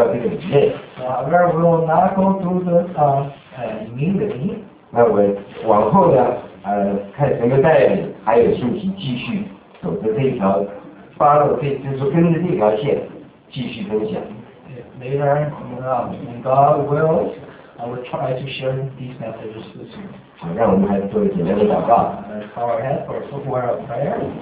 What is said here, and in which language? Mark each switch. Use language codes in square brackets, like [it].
[en] However, we will not go through the immediately. [zh] 那我往后呢，看神的带领，还有信息，继续走着这条，follow这，就是跟着这条线，继续分享。 [en] Later, in God will, I will try to share these messages with you. [zh] 好，让我们还是做一个简单的祷告。 [en] Let's bow our heads for a short word of prayer.